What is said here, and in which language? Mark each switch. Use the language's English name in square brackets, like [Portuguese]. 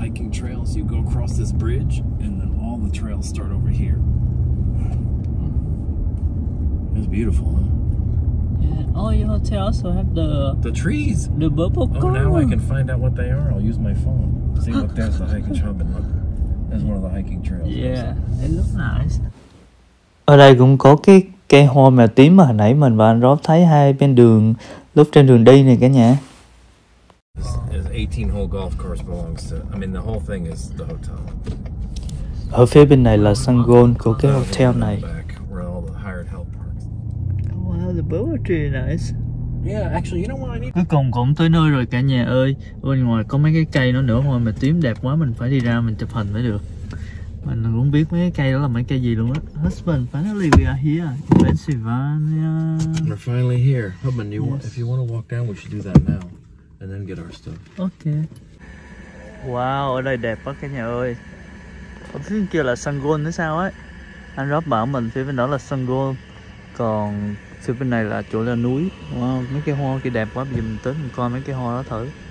[English] Trails, you go across this bridge and then all the trails start over here. It's beautiful, huh? Yeah. Oh, your hotel also have the trees, the purple cone. Oh, now I can find out what they are. I'll use my phone. See, look, there's the hiking trail. Look, there's one of the hiking trails. Yeah, it looks nice. [Vietnamese] Ở đây cũng có cái cây hoa màu tím mà hồi nãy mình và anh Rob thấy hai bên đường lúc trên đường đi này cả nhà. [English] 18 hole golf course belongs to, I mean the whole thing is the hotel. [Vietnamese] Ở phía bên này là sân golf của cái hotel này. [English] Where all the hired help parks. Wow, the boat is nice. Yeah, actually, you know what I need. [Vietnamese] Cuối cùng cũng tới nơi rồi cả nhà ơi. Bên ngoài có mấy cái cây nó nữa mà tím đẹp quá, mình phải đi ra mình chụp hình mới được. Mình cũng biết mấy cái cây đó là mấy cây gì luôn á. [English] Husband, finally we are here in Pennsylvania. We're finally here. Husband, you yes. Want, if you want to walk down, we should do that now. And then get our stuff. Okay. [Vietnamese] Wow, ở đây đẹp quá cả nhà ơi. Ở phía bên kia là sân golf nữa sao ấy. Anh Rob bảo mình phía bên đó là sân golf. Còn phía bên này là chỗ là núi. Wow, mấy cái hoa kia đẹp quá. Bây giờ mình tới mình coi mấy cái hoa đó thử.